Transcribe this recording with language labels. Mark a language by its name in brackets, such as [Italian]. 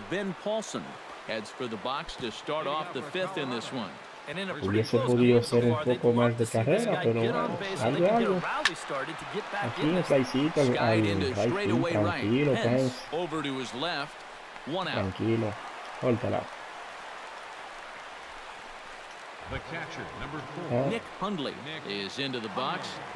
[English] Ben Paulson heads for the box to start off the fifth in this one. [Spanish] Hubiese podido ser un poco más de carrera, pero bueno, algo, algo. Aquí en el playcito, ahí, tranquilo, tranquilo, córtala. [English] The catcher, number 4, Nick Hundley, is into the box.